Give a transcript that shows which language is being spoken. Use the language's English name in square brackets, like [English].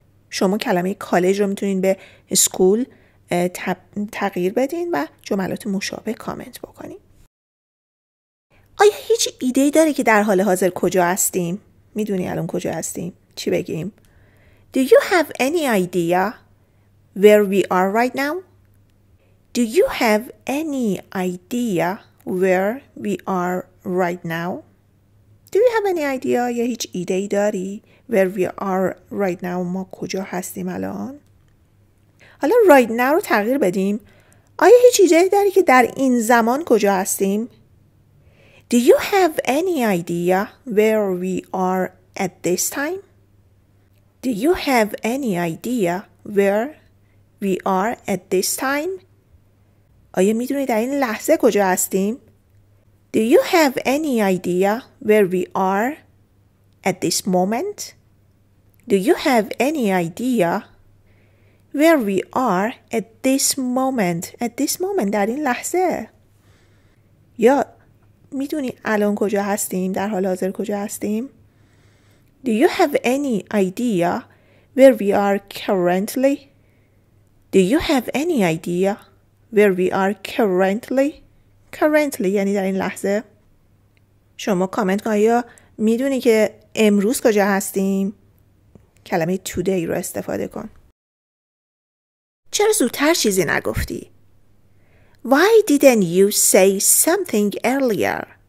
[Persian] شما کلمه کالج رو میتونین به اسکول تغییر بدین و جملات مشابه کامنت بکنین. آیا هیچ ایده‌ای داری که در حال حاضر کجا هستیم؟ میدونی الان کجا هستیم؟ چی بگیم؟ [English] Do you have any idea where we are right now? Do you have any idea where we are right now? Do you have any idea [Persian] یا هیچ ایده‌ای داری [English] where we are right now [Persian] ما کجا هستیم الان؟ حالا [English] right now [Persian] رو تغییر بدیم. آیا هیچ ایده داری که در این زمان کجا هستیم؟ [English] Do you have any idea where we are at this time? Do you have any idea where we are at this time? [Persian] آیا میدونی در این لحظه کجا هستیم؟ [English] Do you have any idea where we are at this moment? Do you have any idea where we are at this moment? At this moment [Persian] در این لحظه. یا میدونی الان کجا هستیم؟ در حال حاضر کجا هستیم؟ [English] Do you have any idea where we are currently? Do you have any idea where we are currently? [Persian] Currently یعنی در این لحظه. شما کامنت کن یا میدونی که امروز کجا هستیم؟ کلمه today رو استفاده کن. چرا زودتر چیزی نگفتی؟ [English] Why didn't you say something earlier?